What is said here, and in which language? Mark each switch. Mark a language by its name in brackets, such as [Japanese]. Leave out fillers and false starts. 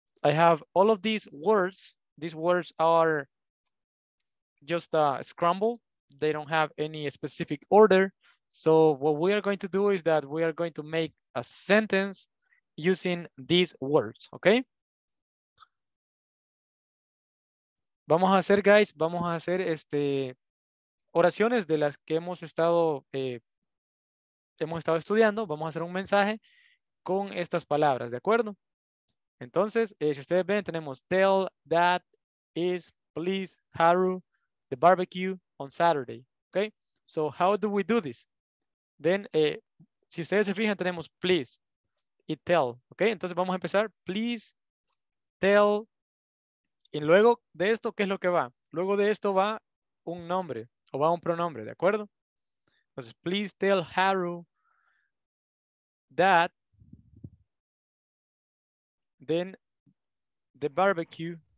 [English] I have all of these words. These words are just scrambled. They don't have any specific order. So what we are going to do is that we are going to make a sentence using these words, okay? [Spanish] Vamos a hacer, guys, vamos a hacer este... oraciones de las que hemos estado estudiando. Vamos a hacer un mensaje con estas palabras, ¿de acuerdo? Entonces, si ustedes ven, tenemos tell, that, is, please, Haru, the barbecue on Saturday, ¿ok? [English] So, how do we do this? Then, [Spanish] si ustedes se fijan, tenemos [English] please y tell, ¿ok? [Spanish] Entonces, vamos a empezar, please, tell, y luego de esto, ¿qué es lo que va? Luego de esto va un nombre. O va un pronombre, ¿de acuerdo? [English] Entonces, please tell Haru that then the barbecue